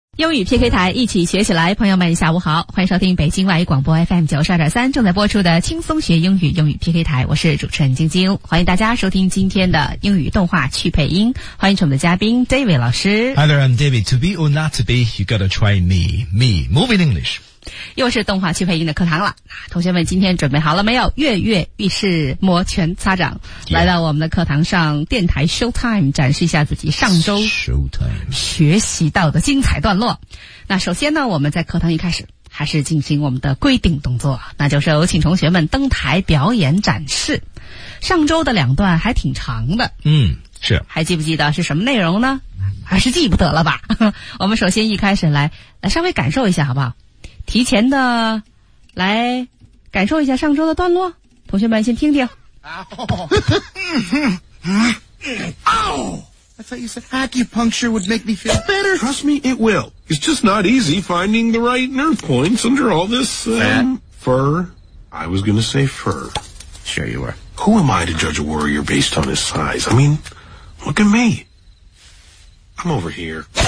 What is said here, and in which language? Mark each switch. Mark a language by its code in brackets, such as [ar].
[zh] 英语 PK 台一起学起来，朋友们下午好，欢迎收听北京外语广播 FM92.3 正在播出的轻松学英语英语 PK 台，我是主持人晶晶，欢迎大家收听今天的英语动画去配音，欢迎我们的嘉宾 David 老师。 [en] Hi there, I'm David. To be or not to be, you gotta try me. Me, Moving English. [zh] 又是动画去配音的课堂了，同学们今天准备好了没有？跃跃欲试，摩拳擦掌、 [en] yeah. [zh] 来到我们的课堂上，电台 Showtime 展示一下自己上周 [en] Showtime [zh] 学习到的精彩段落。那首先呢，我们在课堂一开始还是进行我们的规定动作，那就是有请同学们登台表演展示。上周的两段还挺长的，嗯，是，还记不记得是什么内容呢？还是记不得了吧。我们首先一开始来稍微感受一下好不好，提前的来感受一下上周的段落，同学们先听听。 [en] Ow! I thought you said acupuncture would make me feel better. Trust me, it will. It's just not easy finding the right nerve points under all this, fur. I was gonna say fur. Sure you were. Who am I to judge a warrior based on his size? I mean, look at me. I'm over here.